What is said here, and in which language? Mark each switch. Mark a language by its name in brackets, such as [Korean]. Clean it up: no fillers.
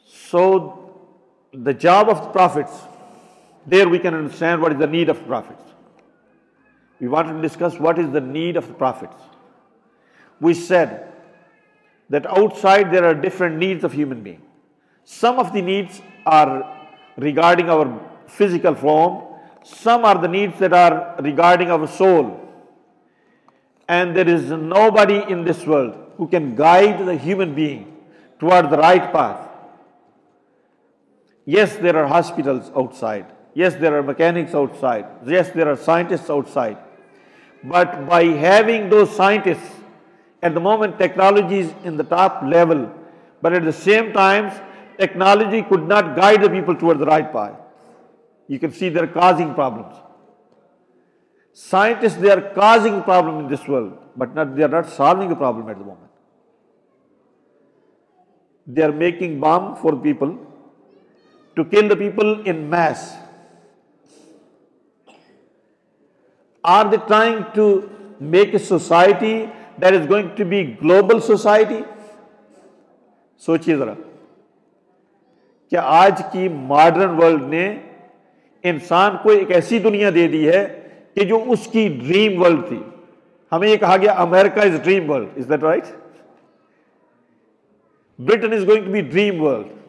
[English] So the job of prophets, there we can understand what is the need of prophets. We want to discuss what is the need of prophets. We said that outside there are different needs of human being. Some of the needs are regarding our physical form. Some are the needs that are regarding our soul. And there is nobody in this world who can guide the human being toward the right path. Yes, there are hospitals outside. Yes, there are mechanics outside. Yes, there are scientists outside. But by having those scientists, at the moment technology is in the top level, but at the same time, technology could not guide the people towards the right path. You can see they are causing problems. Scientists, they are causing problems in this world, but not, they are not solving a problem at the moment. They are making bomb for people to kill the people in mass. Are they trying to make a society that is going to be global society? [Urdu] Sochiye zara. کیا آج کی modern world نے انسان کو ایک ایسی دنیا دے دی ہے کہ جو اس کی ڈریم ورلڈ تھی. ہمیں یہ کہا گیا [English] America is dream world, is that right? Britain is going to be dream world.